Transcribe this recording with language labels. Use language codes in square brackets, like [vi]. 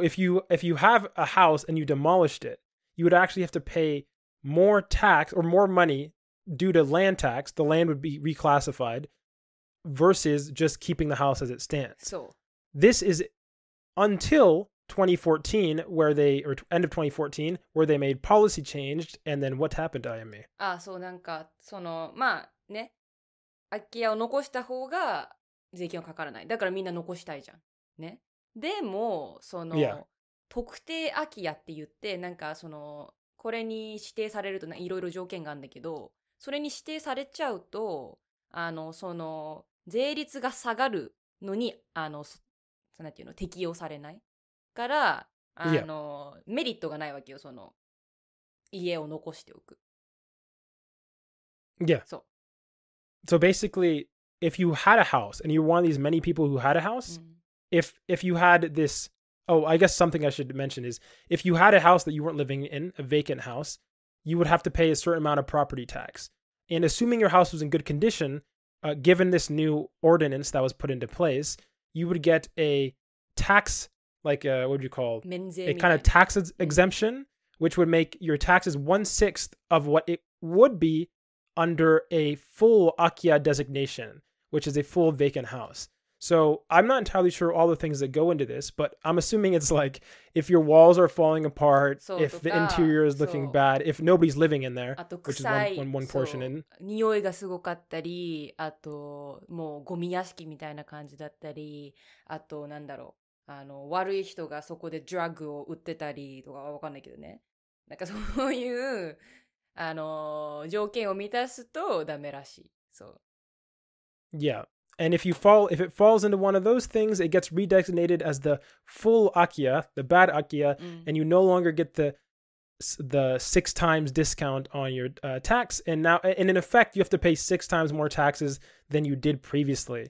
[en] if you have a house and you demolished it, you would actually have to pay more tax or more money due to land tax. The land would be reclassified versus just keeping the house as it stands. So this is until 2014, where they, or end of 2014, where they made policy changed, and then what happened to IME? [ja] Ah, so, なんか、その、まあ、ね、空き家を残した方が税金はかからない。だからみんな残したいじゃん。ね。でも、その、特定空き家って言って、なんか、その、これに指定されると、いろいろ条件があるんだけど、それに指定されちゃうと、その、税率が下がるのに、なんていうの、適用されない。から、メリットがないわけよ、その、家を残しておく。 [en] Yeah. [ja] そう。 [en] So basically, if you had a house, and you're one of these many people who had a house,、mm-hmm. if you had this, oh, I guess something I should mention is, if you had a house that you weren't living in, a vacant house, you would have to pay a certain amount of property tax. And assuming your house was in good condition, given this new ordinance that was put into place, you would get a tax, like a, what would you call it? A kind of tax exemption, which would make your taxes 1/6 of what it would be under a full Akiya designation, which is a full vacant house. So I'm not entirely sure all the things that go into this, but I'm assuming it's like if your walls are falling apart, if the interior is looking bad, if nobody's living in there, which is one portion in. [ja] 匂いがすごかったり、あともうゴミ屋敷みたいな感じだったり、あとなんだろう、悪い人がそこでドラッグを売ってたりとかわかんないけどね。なんかそういう条件を満たすとダメらしい。そう。 [en] Yeah. And if it falls into one of those things, it gets redesignated as the full Akiya, the bad Akiya, and you no longer get the 6x discount on your tax. And in effect, you have to pay 6x more taxes than you did previously.